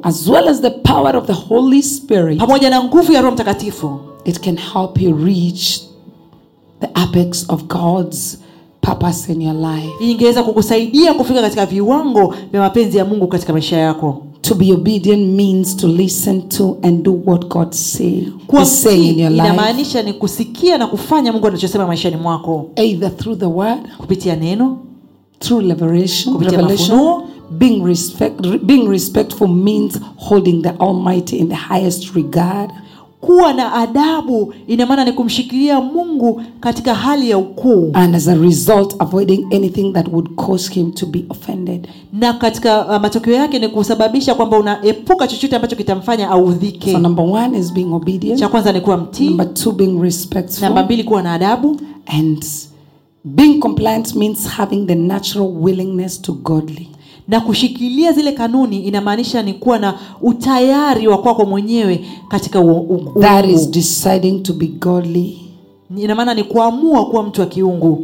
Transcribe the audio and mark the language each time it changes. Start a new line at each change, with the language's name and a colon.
English: as well as the power of the Holy Spirit,
Swahili: pamoja na nguvu ya Roho Mtakatifu,
English: it can help you reach the apex of God's purpose in your life,
Swahili: ingeweza kukusaidia kufika katika viwango vya mapenzi ya Mungu katika maisha yako.
English: To be obedient means to listen to and do what God say in your life.
Swahili: Inamaanisha ni kusikia na kufanya Mungu anachosema maishani mwako.
English: Either through the word,
Swahili: kupitia neno,
English: through liberation,
Swahili: kupitia revelation, mafunuo.
English: Being respectful means holding the Almighty in the highest regard.
Swahili: Kuwa na adabu ina maana ni kumshikilia Mungu katika hali ya ukuu,
English: and as a result avoiding anything that would cause him to be offended.
Swahili: Na katika matokeo yake ni kusababisha kwamba unaepuka chochote ambacho kitamfanya audhike.
English: So number 1 is being obedient,
Swahili: cha kwanza ni kuwa mtii.
English: Number 2 being respectful,
Swahili: namba 2 kuwa na adabu.
English: And being compliant means having the natural willingness to godly,
Swahili: na kushikilia zile kanuni inamaanisha ni kuwa na utayari wa kwako mwenyewe katika
English: that is deciding to be godly,
Swahili: ina maana ni kuamua kuwa mtu wa kiungu,